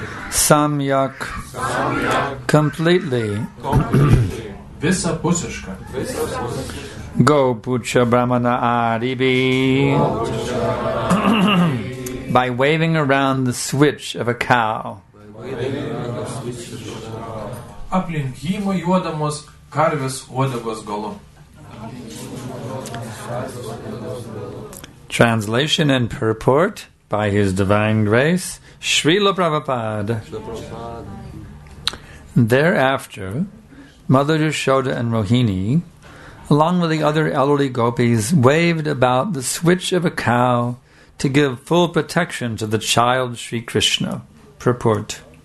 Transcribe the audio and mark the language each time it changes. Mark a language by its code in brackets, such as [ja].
[sa] Samyak. [en] Completely. [lt] Visapusiška. [sa] Gopuccha brahmana adibhi. [en] By waving around the switch of a cow. [lt] Aplink jį mojuodamos karvės uodegos galu. [en] Translation and purport by His Divine Grace, Srila Prabhupada. Thereafter, Mother Yashoda and Rohini, along with the other elderly gopis, waved about the switch of a cow to give full protection to the child Sri Krishna. Purport.